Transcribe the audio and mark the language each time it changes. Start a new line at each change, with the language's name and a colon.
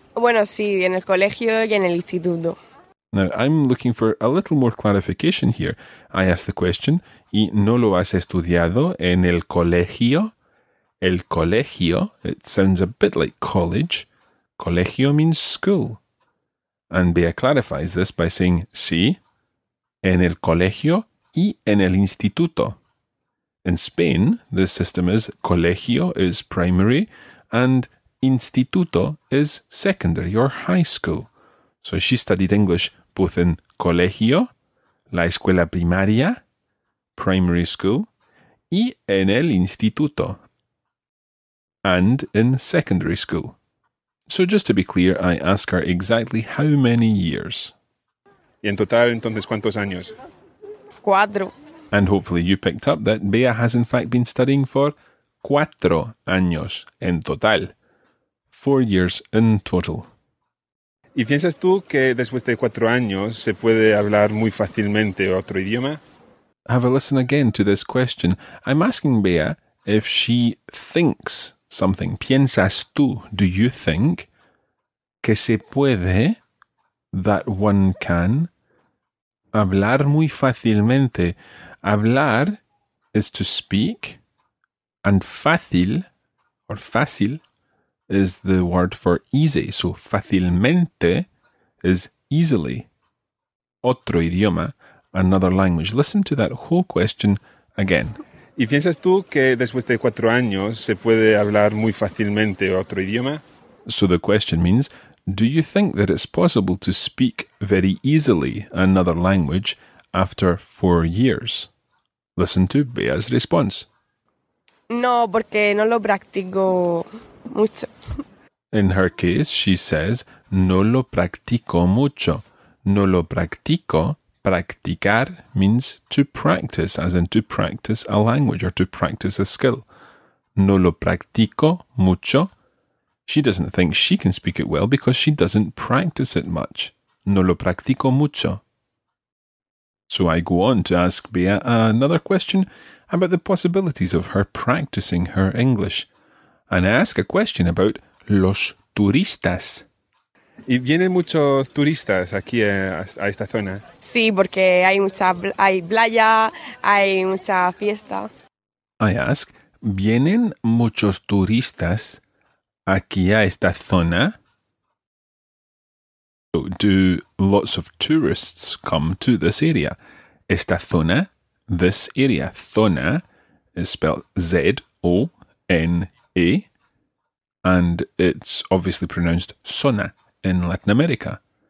Spanish: Bueno, sí, en el colegio y en el instituto.
English: Now, I'm looking for a little more clarification here. I ask the question,
Spanish: ¿y no lo has estudiado en el colegio?
English: El colegio, it sounds a bit like college. Colegio means school. And Bea clarifies this by saying,
Spanish: sí, en el colegio y en el instituto.
English: In Spain, the system is colegio is primary and instituto is secondary or high school. So she studied English both in colegio,
Spanish: la escuela primaria,
English: primary school,
Spanish: y en el instituto,
English: and in secondary school. So just to be clear, I ask her exactly how many years.
Spanish: Y en total, entonces, ¿cuántos años? Cuatro.
English: And hopefully you picked up that Bea has in fact been studying for 4
Spanish: años en total.
English: 4 years in total.
Spanish: ¿Y piensas tú que después de 4 años se puede hablar muy fácilmente otro idioma?
English: Have a listen again to this question. I'm asking Bea if she thinks something.
Spanish: ¿Piensas tú,
English: do you think,
Spanish: que se puede,
English: that one can,
Spanish: hablar muy fácilmente?
English: Hablar is to speak, and fácil, or fácil, is the word for easy. So, fácilmente is easily.
Spanish: Otro idioma,
English: another language. Listen to that whole question again.
Spanish: ¿Y piensas tú que después de 4 años se puede hablar muy fácilmente otro idioma?
English: So the question means, do you think that it's possible to speak very easily another language after 4 years? Listen to Bea's response.
Spanish: No, porque no lo practico mucho.
English: In her case, she says,
Spanish: no lo practico mucho. No lo practico
English: Practicar means to practice, as in to practice a language or to practice a skill.
Spanish: No lo practico mucho.
English: She doesn't think she can speak it well because she doesn't practice it much.
Spanish: No lo practico mucho.
English: So I go on to ask Bea another question about the possibilities of her practicing her English. And I ask a question about los turistas.
Spanish: ¿Y vienen muchos turistas aquí a esta zona? Sí, porque hay playa, hay mucha fiesta.
English: I ask,
Spanish: ¿vienen muchos turistas aquí a esta zona?
English: So, do lots of tourists come to this area?
Spanish: Esta zona,
English: this area. Zona is spelled Z-O-N-A, and it's obviously pronounced zona in Latin America.